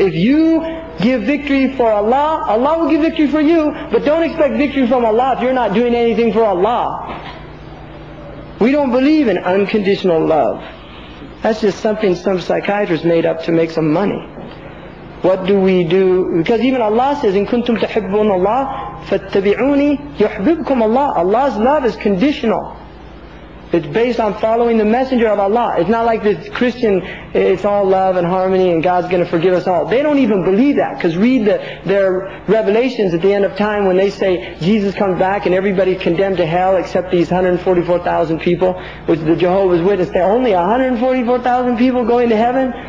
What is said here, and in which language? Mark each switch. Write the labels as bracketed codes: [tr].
[en] If you give victory for Allah, Allah will give victory for you, but don't expect victory from Allah if you're not doing anything for Allah. We don't believe in unconditional love. That's just something some psychiatrist made up to make some money. What do we do? Because even Allah says, [ar] إِن كُنْتُمْ تَحِبُّونَ اللَّهِ فَاتَّبِعُونِي يُحْبِبْكُمْ اللَّهِ. [en] Allah's love is conditional. It's based on following the messenger of Allah. It's not like this Christian, it's all love and harmony and God's going to forgive us all. They don't even believe that. Because read their revelations at the end of time when they say Jesus comes back and everybody's condemned to hell except these 144,000 people, which the Jehovah's Witness, they're only 144,000 people going to heaven.